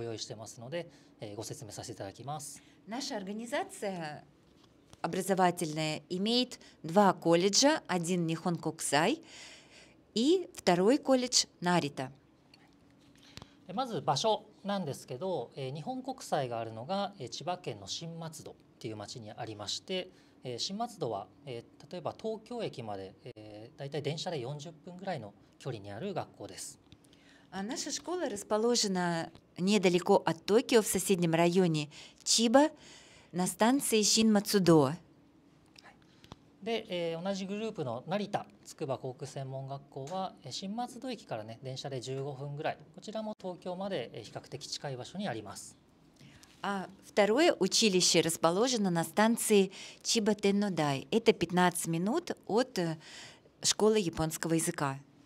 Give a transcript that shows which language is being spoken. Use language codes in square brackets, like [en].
[ja] 今日お話しするのが日本国際工科専門学校とそのグループ校の成田筑波航空専門学校どちらも留学生だけのコースご用意してますのでご説明させていただきます。 [ru] Наша организация образовательная имеет два колледжа, один Nihon Kokusai и второй колледж Нарита. [ja] まず場所なんですけど、日本国際があるのが千葉県の新松戸っていう町にありまして、 新松戸は例えば東京駅までだいたい電車で40分ぐらいの距離にある学校です。 [ru] Наша школа расположена недалеко от Токио в соседнем районе Чиба на станции Шинмацудо. [ja] で、同じグループの成田筑波航空専門学校は新松戸駅からね電車で15分ぐらい、こちらも東京まで比較的近い場所にあります。 [ru] А второе училище расположено на станции Чиба-Теннодай. Это 15 минут от школы японского языка.